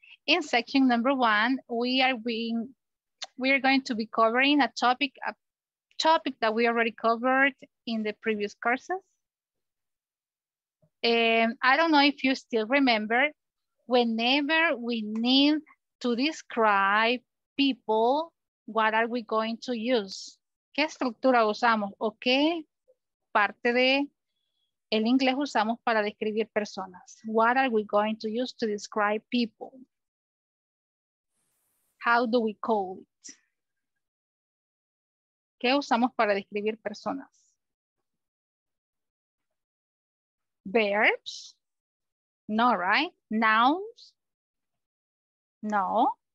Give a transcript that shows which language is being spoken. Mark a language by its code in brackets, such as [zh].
[en] In section number one, we are going to be covering a topic that we already covered in the previous courses. I don't know if you still remember, whenever we need to describe people, what are we going to use? [es] ¿Qué estructura usamos? ¿O qué parte de el inglés usamos para describir personas? [en] What are we going to use to describe people? How do we call it? [es] ¿Qué usamos para describir personas? [en] Verbs? No, right? Nouns? No.